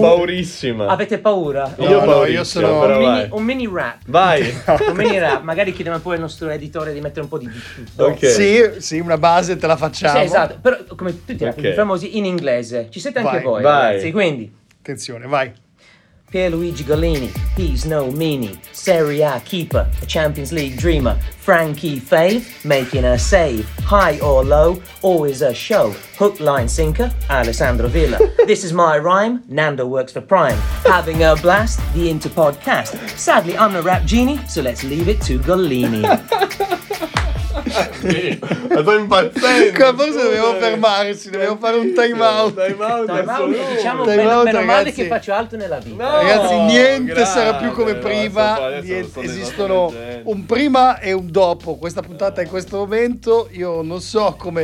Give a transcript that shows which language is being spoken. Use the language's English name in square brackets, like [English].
[Italian] Paurissima. Avete paura? No, io sono... Un mini rap. Vai. Un mini rap, magari chiediamo poi al nostro editore di mettere un po' di... Okay. Sì, sì, una base te la facciamo. Sì, esatto, però come tutti i rap, famosi. In inglese, ci siete anche voi, ragazzi, quindi attenzione, vai. [English] Pierluigi Gollini, he's no mini, Serie A keeper, a Champions League dreamer, Frankie Faye, making a save, high or low, always a show, hook, line, sinker, Alessandro Villa, this is my rhyme, Nando works for Prime, having a blast, the Interpodcast, sadly I'm a rap genie, so let's leave it to Gollini. [Italian] Ma sto impazzendo. Forse dobbiamo fermarci, dobbiamo fare un time out. Diciamo meno male che faccio altro nella vita. No, ragazzi, niente grande, sarà più come prima. Esistono un prima e un dopo. Questa puntata in questo momento, io non so come.